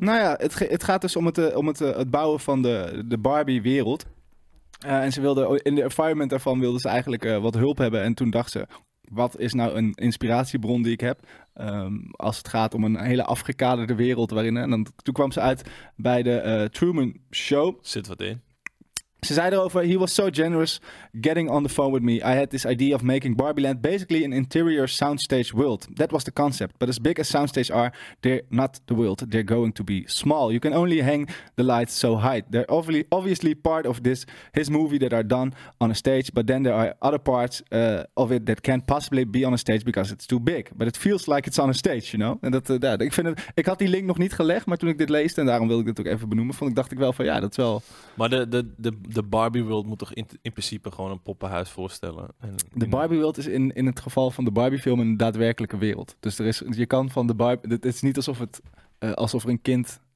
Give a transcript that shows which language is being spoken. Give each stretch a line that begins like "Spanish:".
Dutch: Nou ja, het gaat dus om het bouwen van de Barbie-wereld. En ze wilde in de environment daarvan wilden ze eigenlijk wat hulp hebben. En toen dacht ze, wat is nou een inspiratiebron die ik heb? Als het gaat om een hele afgekaderde wereld waarin... En toen kwam ze uit bij de Truman Show. Zit wat in.
English: Ze zei erover, he was so generous getting on the phone with me. I had this idea of making Barbieland basically an interior soundstage world. That was the concept. But as big as soundstages are, they're not the world. They're going to be small. You can only hang the lights so high. They're obviously part of this his movie that are done on a stage. But then there are other parts of it that can't possibly be on a stage because it's too big. But it feels like it's on a stage, you know?
Dutch: En ik had die link nog niet gelegd, maar toen ik dit leesde, en daarom wilde ik dit ook even benoemen, dacht ik wel van ja, dat is wel... Maar de Barbie World moet toch in principe gewoon een poppenhuis voorstellen? De Barbie World is in het geval van de Barbie film een daadwerkelijke wereld. Dus er is, je kan van de Barbie... Het is niet alsof er een kind